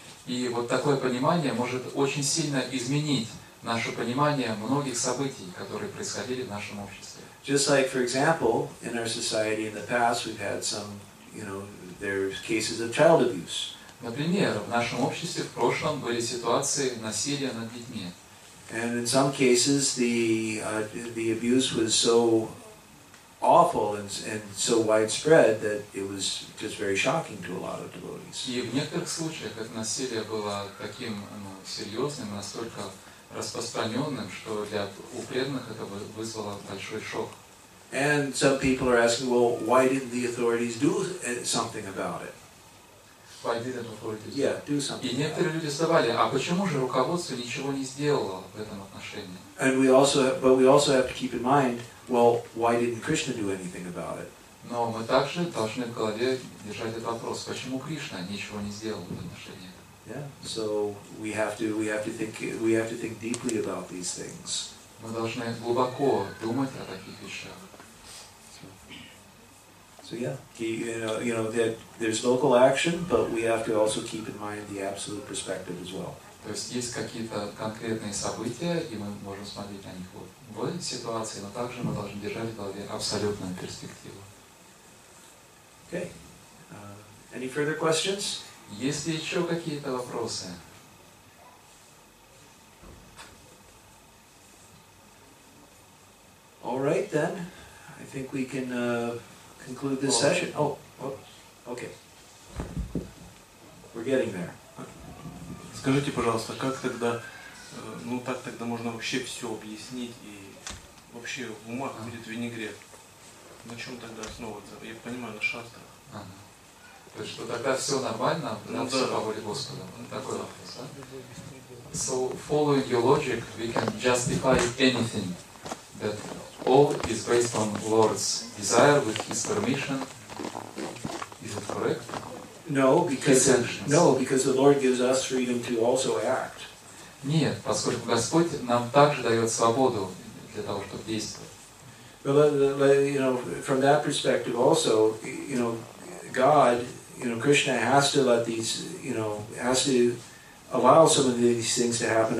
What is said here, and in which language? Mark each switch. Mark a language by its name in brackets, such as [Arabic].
[Russian] И вот такое понимание может очень сильно изменить наше понимание многих событий, которые происходили в нашем обществе. [English] Just like, for example, in our society in the past, we've had some, you know, there's cases of child abuse. [Russian] Например, в нашем обществе в прошлом были ситуации насилия над детьми. [English] And in some cases, the abuse was so awful and so widespread that it was just very shocking to a lot of devotees. [Russian] И в некоторых случаях это насилие было таким серьезным, настолько распространенным, что для преданных это вызвало большой шок. [English] And some people are asking, well, why didn't the authorities do something about it? Why didn't authorities? Yeah, do something. [Russian] И некоторые люди задавали, а почему же руководство ничего не сделало в этом отношении? [English] And we also have to keep in mind, well, why didn't Krishna do anything about it? [Russian] Но мы также должны в голове держать этот вопрос, почему Кришна ничего не сделал в отношении этого? [English] Yeah, so we have to think deeply about these things. [Russian] Мы должны глубоко думать о таких вещах. [English] So yeah, you know that there's local action, but we have to also keep in mind the absolute perspective as well. [Russian] То есть есть какие-то конкретные события, и мы можем смотреть на них в ситуации, но также мы должны держать в голове абсолютную перспективу. [English] Okay. Any further questions? [Russian] Есть ли еще какие-то вопросы? [English] All right then. I think we can conclude this session. Okay. We're getting there. [Russian] Скажите, пожалуйста, как тогда, ну так тогда можно вообще все объяснить и вообще ума будет в винегре? На чем тогда основываться? Я понимаю, на шастрах. То есть, что тогда все нормально, нам все по воле Господа. Такой вопрос, да? [English] So, following your logic, we can justify anything, that all is based on Lord's desire with His permission. Is it correct? No, because the Lord gives us freedom to also act. [Russian] Нет, поскольку Господь нам также дает свободу для того, чтобы действовать. [English] Well, you know, from that perspective also, you know, God, you know, Krishna has to let these, you know, has to allow some of these things to happen.